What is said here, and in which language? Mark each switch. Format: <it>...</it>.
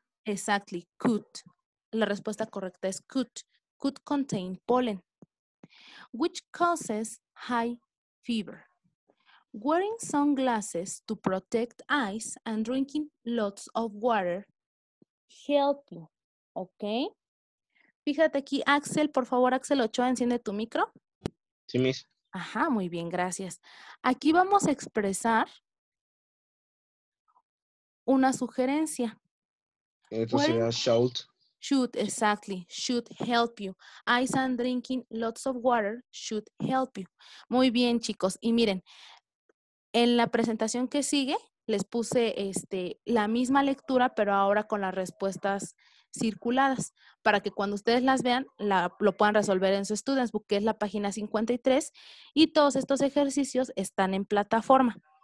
<es>Exactly, could. La respuesta correcta es could.</es> <en>Could contain pollen. Which causes high fever? Wearing sunglasses to protect eyes and drinking lots of water help you. Okay.</en> <es>Fíjate aquí, Axel, por favor, Axel Ochoa, enciende tu micro. Sí, miss. Ajá, muy bien, gracias. Aquí vamos a expresar una sugerencia. Esto wearing sería shout.</es> <en>Should, exactly, should help you. Eyes and drinking lots of water should help you.</en> <es>Muy bien, chicos. Y miren, en la presentación que sigue, les puse la misma lectura, pero ahora con las respuestas circuladas, para que cuando ustedes las vean, lo puedan resolver en su Students Book, que es la página 53, y todos estos ejercicios están en plataforma.</es>